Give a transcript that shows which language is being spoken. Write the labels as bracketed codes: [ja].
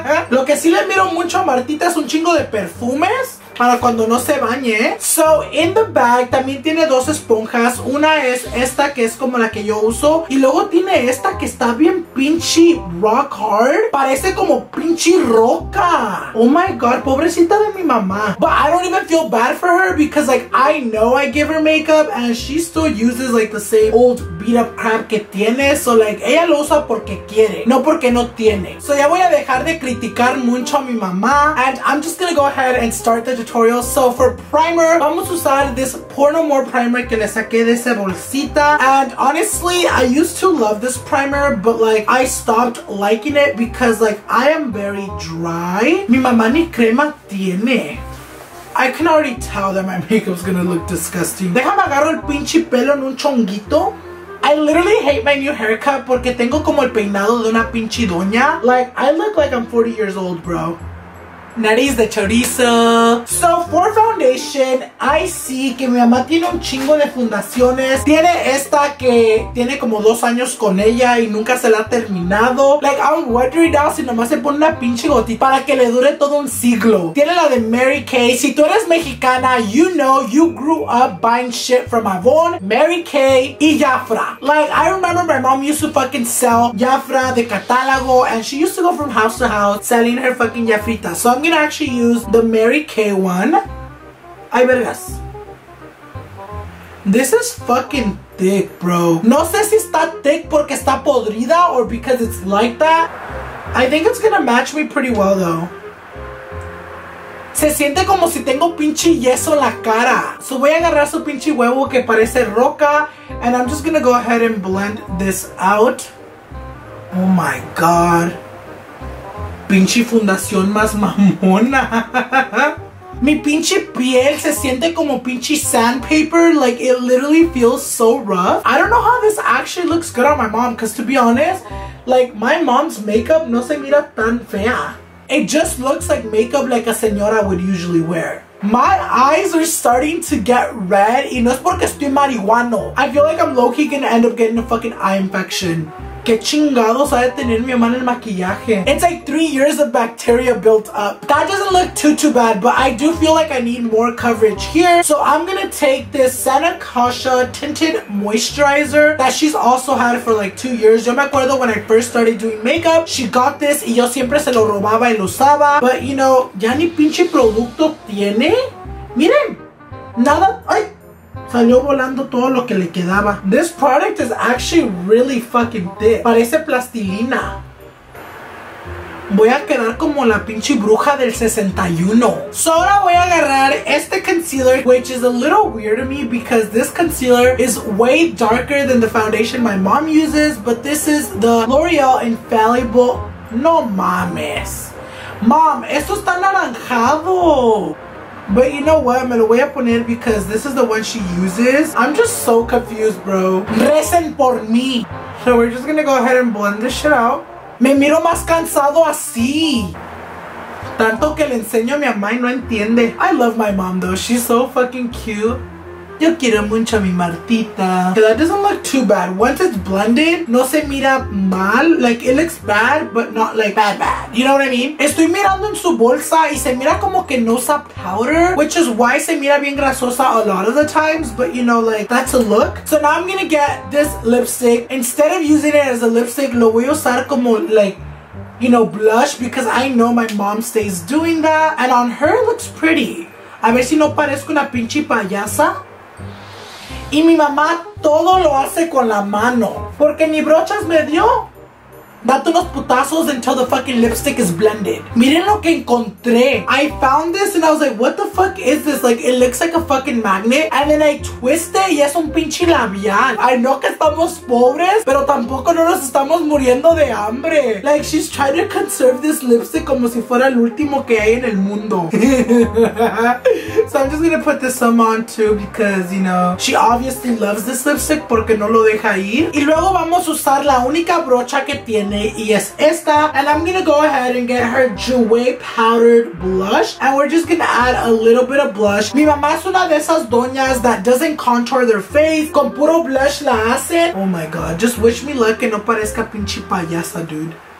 [es] Lo que sí le miro mucho a Martita es un chingo de perfumes para cuando no se bañe. [en] So, in the bag, [es] también tiene 2 esponjas. Una es esta, que es como la que yo uso. Y luego tiene esta, que está bien pinche [en] rock hard. [es] Parece como pinche roca. [en] Oh my god, [es] pobrecita de mi mamá. [en] But I don't even feel bad for her, because, like, I know I give her makeup, and she still uses, like, the same old beat up crap [es] que tiene. [en] So, like, [es] ella lo usa porque quiere, no porque no tiene. So, ya voy a dejar de criticar mucho a mi mamá. [en] And I'm just gonna go ahead and start the tutorial. So for primer, [es] vamos a usar [en] this Porno More primer [es] que le saqué de esa bolsita. [en] And honestly, I used to love this primer, but like, I stopped liking it because, like, I am very dry. [es] Mi mamá ni crema tiene. [en] I can already tell that my makeup's gonna look disgusting. [es] Déjame agarrar el pinche pelo en un chonguito. [en] I literally hate my new haircut [es] porque tengo como el peinado de una pinche doña. [en] Like, I look like I'm 40 years old, bro. [es] Nariz de chorizo. [en] So for foundation, I see [es] que mi mamá tiene un chingo de fundaciones. Tiene esta que tiene como 2 años con ella y nunca se la ha terminado. [en] Like, I'm wondering now [es] si nomás se pone una pinche gotita para que le dure todo un siglo. Tiene la de Mary Kay. Si tú eres mexicana, [en] you know you grew up buying shit from Avon, Mary Kay [es] y Jafra. [en] Like, I remember my mom used to fucking sell Jafra [es] de catálogo, [en] and she used to go from house to house selling her fucking Jafrita. So I'm gonna actually use the Mary Kay one. [es] Ay, vergas. [en] This is fucking thick, bro. [es] No sé si está [en] thick [es] porque está podrida [en] or because it's like that. I think it's gonna match me pretty well, though. [es] Se siente como si tengo pinche yeso en la cara. So voy a agarrar su pinche huevo que parece roca. [en] And I'm just gonna go ahead and blend this out. Oh my god. [es] Pinche fundación más mamona. Mi pinche piel se siente como pinche sandpaper. [en] Like, it literally feels so rough. I don't know how this actually looks good on my mom, because to be honest, like, my mom's makeup [es] no se mira tan fea. [en] It just looks like makeup like a señora would usually wear. My eyes are starting to get red, [es] y no es porque estoy marihuano. [en] I feel like I'm low-key gonna end up getting a fucking eye infection. [es] Que chingados ha de tener mi mamá el maquillaje. [en] It's like 3 years of bacteria built up. That doesn't look too bad, but I do feel like I need more coverage here. So I'm gonna take this Santa Kasha Tinted Moisturizer that she's also had for like 2 years. [es] Yo me acuerdo [en] when I first started doing makeup, she got this [es] y yo siempre se lo robaba y lo usaba. [en] But you know, [es] ya ni pinche producto tiene. Miren, nada. Ay. Salió volando todo lo que le quedaba. [en] This product is actually really fucking thick. [es] Parece plastilina. Voy a quedar como la pinche bruja del 61. [en] So [es] ahora voy a agarrar este [en] concealer, which is a little weird to me because this concealer is way darker than the foundation my mom uses, but this is the L'Oreal Infallible. [es] No mames. Mom, esto está anaranjado. [en] But you know what? [es] Me lo voy a poner [en] because this is the one she uses. I'm just so confused, bro. [es] Recen por mí. [en] So we're just gonna go ahead and blend this shit out. [es] Me miro más cansado así. Tanto que le enseño a mi mamá y no entiende. [en] I love my mom, though. She's so fucking cute. [es] Yo quiero mucho a mi Martita. [en] Okay, that doesn't look too bad. Once it's blended, [es] no se mira mal. [en] Like, it looks bad, but not like bad. You know what I mean? [es] Estoy mirando en su bolsa y se mira como que no usa [en] powder, which is why [es] se mira bien grasosa [en] a lot of the times. But you know, like, that's a look. So now I'm gonna get this lipstick. Instead of using it as a lipstick, [es] lo voy a usar como, [en] like, you know, blush, because I know my mom stays doing that. And on her, it looks pretty. [es] A ver si no parezco una pinche payasa. Y mi mamá todo lo hace con la mano. Porque ni brochas me dio. Date unos putazos [en] until the fucking lipstick is blended. [es] Miren lo que encontré. [en] I found this and I was like, what the fuck is this? Like, it looks like a fucking magnet. And then I twist it [es] y es un pinche labial. [en] I know [es] que estamos pobres, pero tampoco no nos estamos muriendo de hambre. [en] Like, she's trying to conserve this lipstick [es] como si fuera el último que hay en el mundo. [en] So I'm just gonna put this some on too because, you know, she obviously loves this lipstick [es] porque no lo deja ir. Y luego vamos a usar la única brocha que tiene. Y es esta. [en] And I'm gonna go ahead and get her Jouer powdered blush. And we're just gonna add a little bit of blush. [es] Mi mamá es una de esas doñas [en] that doesn't contour their face. [es] Con puro blush la hacen. [en] Oh my god, just wish me luck [es] que no parezca pinche payasa, dude.